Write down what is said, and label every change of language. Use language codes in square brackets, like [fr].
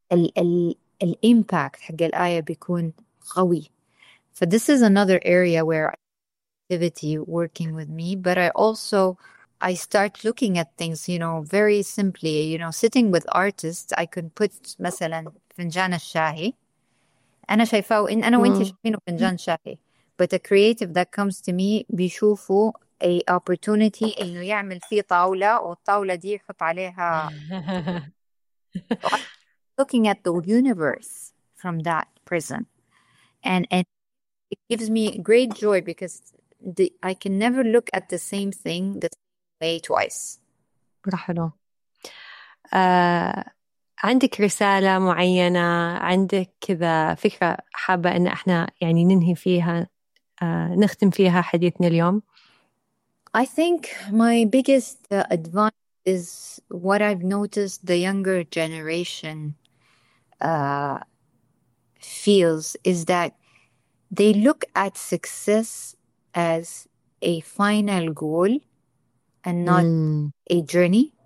[ar] ال impact حق الايه بيكون قوي. [en] So this is another area where creativity working with me, but I also start looking at things, you know, very simply, you know, sitting with artists, I can put [ar] مثلا فنجان الشاهي انا شايفاه وان انا وانت شايفينه فنجان شاهي, [en] but a creative that comes to me [ar] بيشوفه [en] a opportunity [ar] انه يعمل فيه طاوله والطاوله دي يحط عليها [en] looking at the universe from that prism, and it gives me great joy, because I can never look at the same thing the same way twice. رحلو. [ar] عندك رسالة معينة, عندك كذا فكرة حابة أن إحنا يعني ننهي فيها, نختم فيها حديثنا اليوم؟ [en] I think my biggest advice is what I've noticed the younger generation feels is that they look at success as a final goal and not a journey.